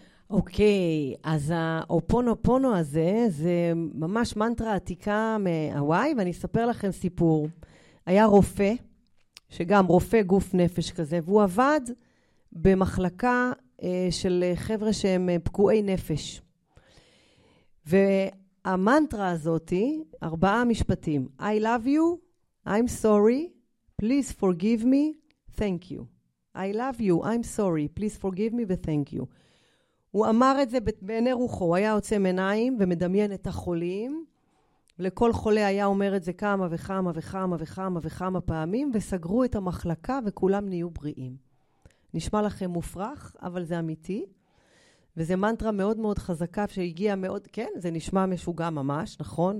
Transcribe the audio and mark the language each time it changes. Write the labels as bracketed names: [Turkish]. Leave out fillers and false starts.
[Hebrew] אוקיי, אז הו-אופונו-פונו הזה זה ממש מנטרה עתיקה מהוואי, ואני אספר לכם סיפור. היה רופא, שגם רופא גוף נפש כזה, והוא עבד במחלקה של חבר'ה שהם פקועי נפש. והמנטרה הזאת, ארבעה משפטים. [English] I love you, I'm sorry, please forgive me, thank you. I love you, I'm sorry, please forgive me, thank you. [Hebrew] הוא אמר את זה בעיני רוחו, היה עוצם עיניים ומדמיין את החולים. לכל חולה היה אומר את זה כמה וכמה וכמה וכמה וכמה פעמים, וסגרו את המחלקה וכולם נהיו בריאים. נשמע לכם מופרך, אבל זה אמיתי. וזה מנטרה מאוד מאוד חזקה שהגיעה מאוד, כן, זה נשמע משוגע ממש, נכון?